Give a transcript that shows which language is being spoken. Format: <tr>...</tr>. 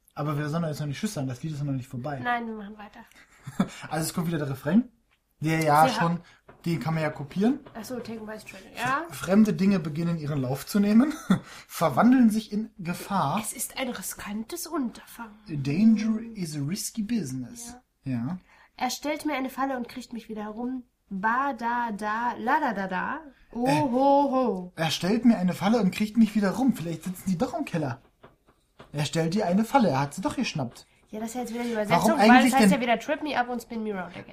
<de>Aber wir sollen jetzt noch nicht Tschüss sagen. Das Lied ist noch nicht vorbei. Nein, wir machen weiter. Also es kommt wieder der Refrain. Der ja Sie schon, haben... den kann man ja kopieren. Achso, Taken by Stranger, ja. Fremde Dinge beginnen ihren Lauf zu nehmen, verwandeln sich in Gefahr. Es ist ein riskantes Unterfangen.</de> <en>Danger is a risky business.</en> <de>Ja. Ja. Er stellt mir eine Falle und kriegt mich wieder herum. Ba, da, da, la, da, da, da. Oh, ho, ho. Er stellt mir eine Falle und kriegt mich wieder rum. Vielleicht sitzen die doch im Keller. Er stellt dir eine Falle. Er hat sie doch geschnappt. Ja, das ist ja jetzt wieder die Übersetzung, weil das heißt denn, ja wieder</de> <en>Trip me up</en> <de>und</de> <en>spin me round again.</en>